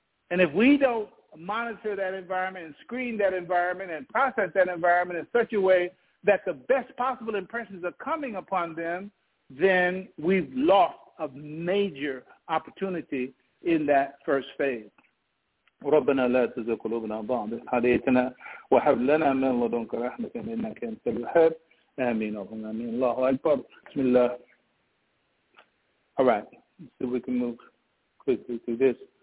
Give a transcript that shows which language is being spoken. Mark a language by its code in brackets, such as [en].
[en] And if we don't monitor that environment and screen that environment and process that environment in such a way that the best possible impressions are coming upon them, then we've lost a major opportunity in that first phase. [ar] ربنا لا تزغ قلوبنا بعد إذ هديتنا وهب لنا من لدنك رحمة إنك أنت الوهاب آمين اللهم آمين الله أكبر بسم الله. [en] Alright, so we can move quickly to this.